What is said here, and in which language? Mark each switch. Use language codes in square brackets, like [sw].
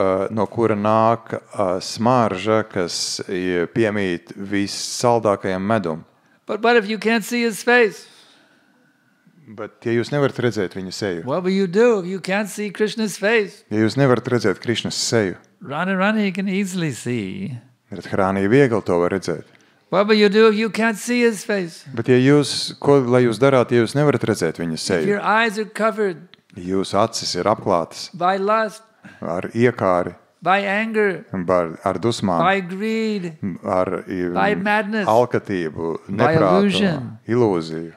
[lv] No kura nāk smarža, kas piemīt vissaldākajam medum. [en] But what if you can't see his face? [lv] Bet ja jūs nevarat redzēt viņa seju. [en] What will you do if you can't see Krishna's face? [lv] Ja jūs nevarat redzēt Krishna's seju. [en] Rani can easily see. [lv] Bet Rani viegli to var redzēt. [en] What will you do if you can't see his face? [lv] Bet ja jūs, ko lai jūs darāt, ja jūs nevarat redzēt viņa seju? [en] If your eyes are covered. [lv] Jūs acis ir apklātas. [en] By lust. [lv] Ar iekāri. [en] By anger. [lv] Ar dusmām. [en] By greed. By madness. [lv] Alkatību, neprātu, ilūziju.